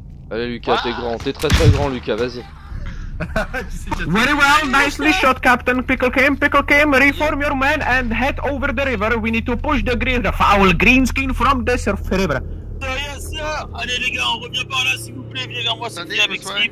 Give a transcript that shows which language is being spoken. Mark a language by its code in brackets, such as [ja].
[fr] Allez, Lucas, t'es grand, t'es très très grand, Lucas, vas-y. [en] Very well, nicely shot, Captain Pickle Kim, reform your men and head over the river. We need to push the foul green skin from the river. [fr] Allez les gars, on revient par là s'il vous plaît, viens vers moi s'il vous plaît avec Skip.